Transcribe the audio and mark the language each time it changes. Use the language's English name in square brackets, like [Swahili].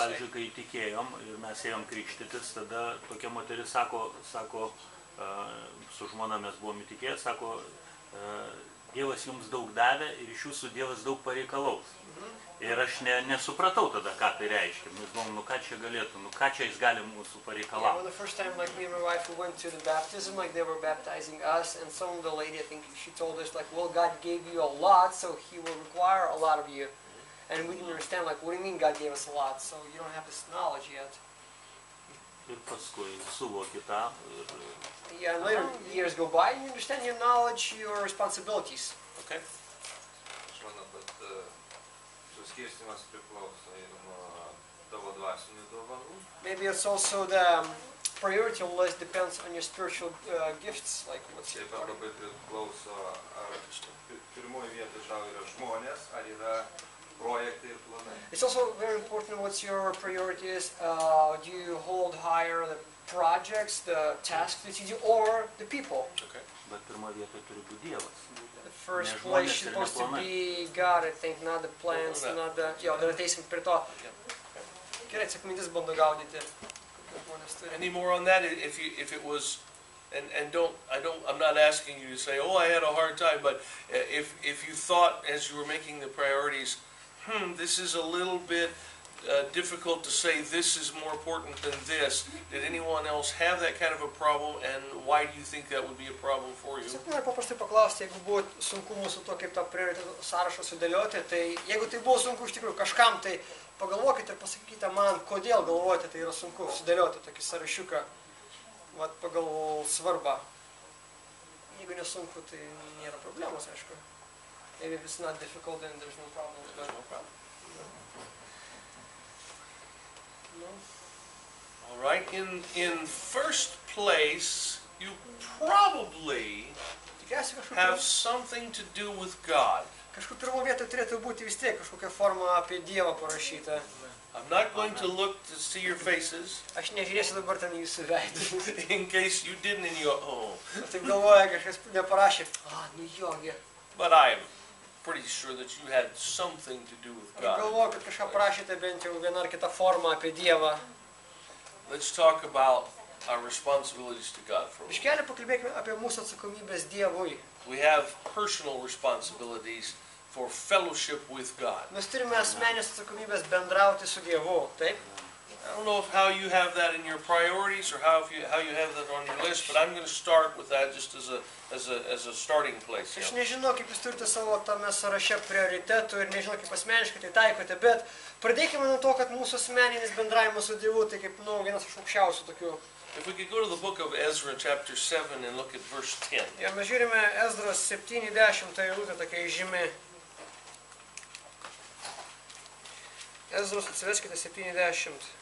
[Lithuanian] Pavyzdžiui, kai tikėjom ir mes ėjom krikštytis, tada tokia moteris sako, su žmona mes buvom įtikėję, sako, Dievas jums daug davė ir iš jūsų Dievas daug pareikalaus. Ir aš nesupratau tada, ką tai reiškia. Mes buvom, ką čia jis gali mūsų pareikalauti. [English] Well, the first time, like, me and my wife, we went to the baptism, like, they were baptizing us, and some of the lady, I think, she told us, like, well, God gave you a lot, so he will require a lot of you. And we didn't understand, like, what do you mean God gave us a lot? So you don't have this knowledge yet. [Lithuanian] Ir paskui suvoki tą. [English] Yeah, and later years go by, and you understand your knowledge, your responsibilities. Okay. [Lithuanian] Aš manau, bet suskirstimas priklauso ir nuo tavo dvasinių dovanų. [English] Maybe it's also the priority list depends on your spiritual gifts, like what's your part. [Lithuanian] Labai priklauso, ar pirmoji vieta žau yra žmonės, ar yra projektai ir planai. [English] It's also very important what's your priorities, do you hold higher the projects, the tasks that you do, or the people. Okay. [Lithuanian] Bet pirmoje vietoje turi būti Dievas. [English] The first place should supposed to be God, I think, not the plans, not the... [Lithuanian] Jo, dar ateisim prie to. Gerai, atsakomybės bando gaudyti. [English] Any more on that, if it was... And I'm not asking you to say, oh, I had a hard time, but if you thought, as you were making the priorities, this is a little bit... difficult to say this is more important than this. Did anyone else have that kind of a problem, and why do you think that would be a problem for you? [Lithuanian] Sakau, paprastai paklausti, jeigu buvo sunku mūsų to, kaip tą prioritetų sąrašą sudėlioti, tai jeigu tai buvo sunku iš tikrųjų kažkam, tai pagalvokite ir pasakykite man, kodėl galvojate, tai yra sunku sudėlioti tokį sąrašiuką, vat pagal svarbą. Jeigu nesunku, tai nėra problemos, aišku. [English] Maybe if it's not difficult, then there's no problem. There's no problem. All right, in first place, you probably have something to do with God. [Lithuanian] Kažkur pirmo vietoj turėtų būti vis tiek kažkokia forma apie Dievą parašyta. [English] I'm not going to look to see your faces. [Lithuanian] Aš nežiūrėsiu dabar ten jūsų veidus. [English] In case you didn't in your own. [Lithuanian] Taip galvoja, kažkas neparašė. Nu jogi. [English] But I'm pretty sure that you had something to do with God. [Lithuanian] Galvoju, kad kažką prašėte bent jau vieną ar kitą formą apie Dievą. [English] Let's talk about our responsibilities to God for a moment. [Lithuanian] Iškeliu pakalbėkime apie mūsų atsakomybės Dievui. [English] We have personal responsibilities for fellowship with God. [Lithuanian] Mes turime asmeninės atsakomybės bendrauti su Dievu, taip? [English] I don't know if how you have that in your priorities or how you have that on your list, but I'm going to start with that just as a starting place. [Lithuanian] Aš nežinau, kaip jūs turite savo tame sąraše prioritetų ir nežinau, kaip asmeniškai tai taikote, bet pradėkime nuo to, kad mūsų asmeninis bendravimas su Dievu tai kaip, nu, vienas iš aukščiausių tokių. [English] If we could go to the book of Ezra chapter 7 and look at verse 10. [Lithuanian] Ja, mes žiūrime Ezros 7:10, tai yra tokia žymi. Ezros atsiveskite 7:10.